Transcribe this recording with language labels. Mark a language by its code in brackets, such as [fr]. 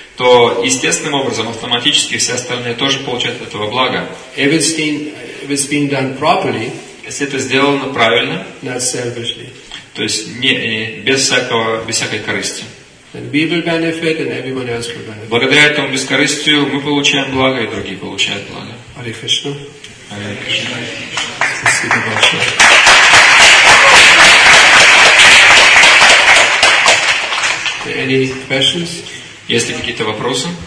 [ru] То естественным образом, автоматически все остальные тоже получают от этого блага. [en] If it's being done properly, [ru] если это сделано правильно, [en] not selfishly. [ru] То есть не без всякой корысти. [en] And we will benefit, and everyone else will benefit. [ru] Благодаря этому бескорыстию мы получаем благо, и другие получают благо. [en] Hare Krishna. Hare Krishna. Hare Krishna. Any questions? [ru] Есть ли какие-то вопросы?